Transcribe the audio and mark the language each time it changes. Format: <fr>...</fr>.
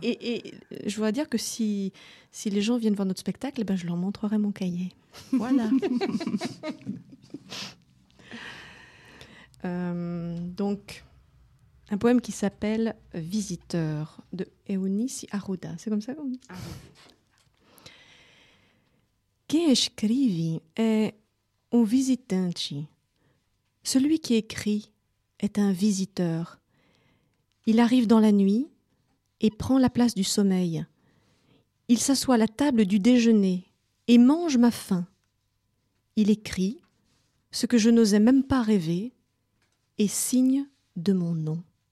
<fr>Et je voudrais dire que si les gens viennent voir notre spectacle, ben je leur montrerai mon cahier. Voilà. donc, un poème qui s'appelle « Visiteur » de Eunice Arruda. C'est comme ça qu'on dit ?</fr> <pt>Quem escreve é um visitante.</pt> <fr>Celui qui écrit est un visiteur. Il arrive dans la nuit et prend la place du sommeil. Il s'assoit à la table du déjeuner et mange ma faim. Il écrit ce que je n'osais même pas rêver et signe de mon nom.</fr>